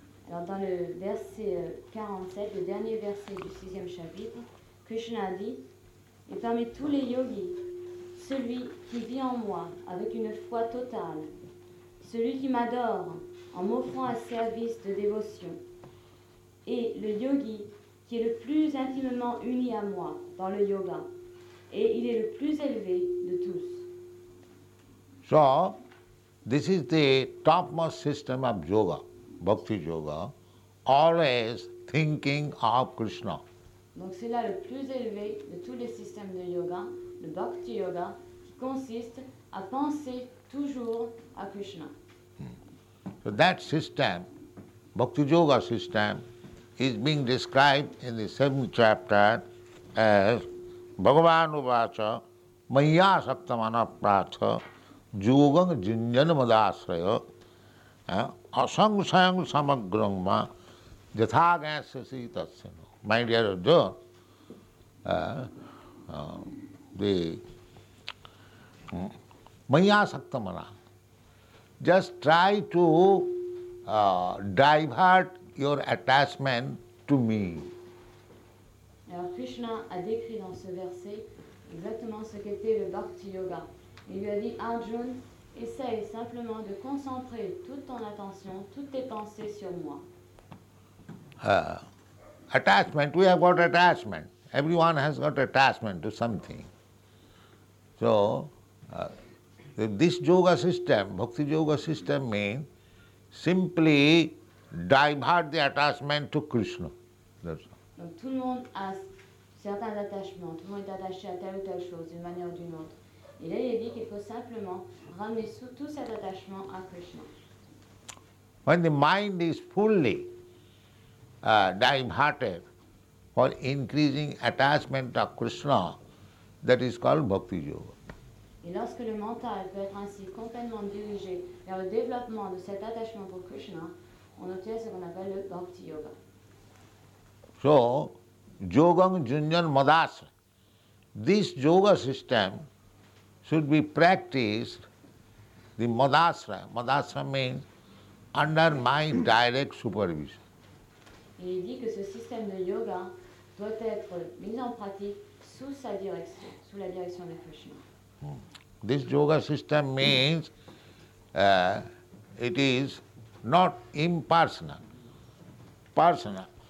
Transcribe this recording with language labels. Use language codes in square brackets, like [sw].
[fr] Dans le verset 47, le dernier verset du 6e chapitre, Krishna dit, et parmi tous les yogis, celui qui vit en moi avec une foi totale, celui qui m'adore en m'offrant un service de dévotion, et le yogi qui est le plus intimement uni à moi dans le yoga, et il est le plus élevé de tous. [en] So, this is the topmost system of yoga. Bhakti yoga, always thinking of Krishna. [fr] Donc c'est là le plus élevé de tous les systèmes de yoga, le Bhakti yoga, qui consiste à penser toujours à Krishna. [en] So that system, Bhakti yoga system, is being described in the 7th chapter as [sa] Bhagavan Uvacha Maya Saptamana Pratha Yoga Jinjana Madasraya. Asaṁsayaṁ samagraṁma jathāgāśyasi tatsyano. [en] My dear Arjuna, the mayāsaktamana, just try to divert your attachment to me. [fr] Alors Krishna a décrit dans ce verset exactement ce qu'était le Bhakti Yoga. Il lui a dit, Arjuna, essaye simplement de concentrer toute ton attention, toutes tes pensées sur moi. [en] Attachment, we have got attachment. Everyone has got attachment to something. So, this yoga system, bhakti yoga system means simply divert the attachment to Krishna. That's all. [fr] Donc tout le monde a certains attachements, tout le monde est attaché à telle ou telle chose d'une manière ou d'une autre. Et là, il a dit qu'il faut simplement ramener tout cet attachement à Krishna. [en] When the mind is fully diverted for increasing attachment to Krishna, that is called Bhakti Yoga. [fr] Et lorsque le mental peut être ainsi complètement dirigé vers le développement de cet attachement pour Krishna, on obtient ce qu'on appelle le Bhakti Yoga. [en] So, [sa] Jogam Junyan Madas. [en] This yoga system should be practiced the Madasra. Madasra means under my direct supervision. [fr] Et il dit que ce système de yoga doit être mis en pratique sous sa direction, sous la direction de Krishna. [en] This yoga system means it is not impersonal, personal.